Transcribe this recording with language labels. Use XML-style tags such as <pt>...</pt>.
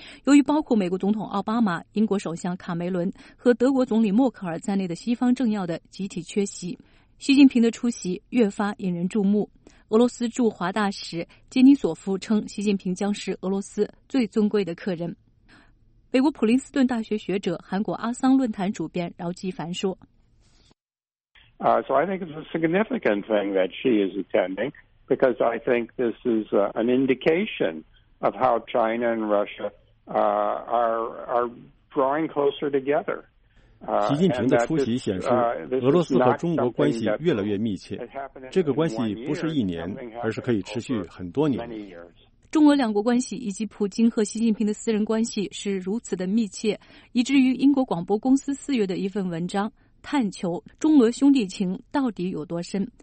<zh>由于包括美国总统奥巴马、英国首相卡梅伦和德国总理默克尔在内的西方政要的集体缺席，习近平的出席越发引人注目。俄罗斯驻华大使杰尼索夫称，习近平将是俄罗斯最尊贵的客人。美国普林斯顿大学学者、韩国阿桑论坛主编饶继凡说，</zh> <en>I think it's a significant thing that she is attending because I think this is an indication of how China and Russia are drawing closer together.</en> <zh>习近平的出席显示俄罗斯和中国关系越来越密切，这个关系不是一年，而是可以持续很多年。中俄两国关系以及普京和习近平的私人关系是如此的密切，以至于英国广播公司4月的一份文章探求中俄兄弟情到底有多深。</zh>